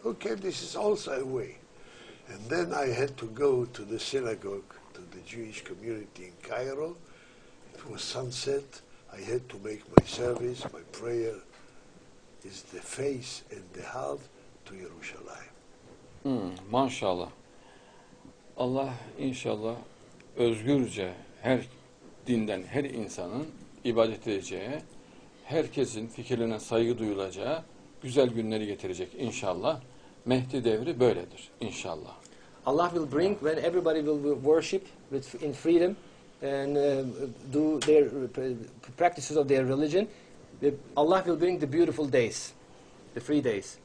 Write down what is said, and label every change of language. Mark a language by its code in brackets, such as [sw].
[en] Okay, this is also a way. And then I had to go to the synagogue, to the Jewish community in Cairo. It was sunset. I had to make my service, my prayer is the face and the heart to Yerushalayim. [tr] Hmm, maşallah. Allah inşallah özgürce her dinden her insanın ibadet edeceği, herkesin fikirlerine saygı duyulacağı güzel günleri getirecek inşallah. Mehdi devri böyledir inşallah. [en] Allah will bring when everybody will worship with in freedom and do their practices of their religion. Allah will bring the beautiful days, the free days.